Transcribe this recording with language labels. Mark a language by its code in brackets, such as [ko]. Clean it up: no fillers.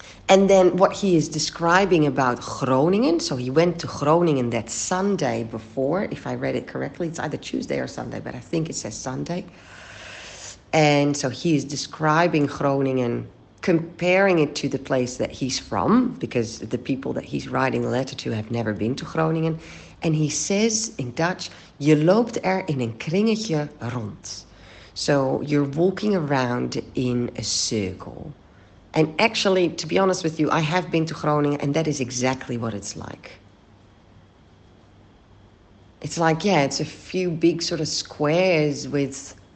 [en] And then what he is describing about Groningen, so he went to Groningen that Sunday before, if I read it correctly, it's either Tuesday or Sunday, but I think it says Sunday. And so he is describing Groningen, comparing it to the place that he's from, because the people that he's writing a letter to have never been to Groningen. And he says in Dutch, [nl] "Je loopt er in een kringetje rond." [en] So you're walking around in a circle. And actually, to be honest with you, I have been to Groningen, and that is exactly what it's like. It's like, yeah, it's a few big sort of squares with.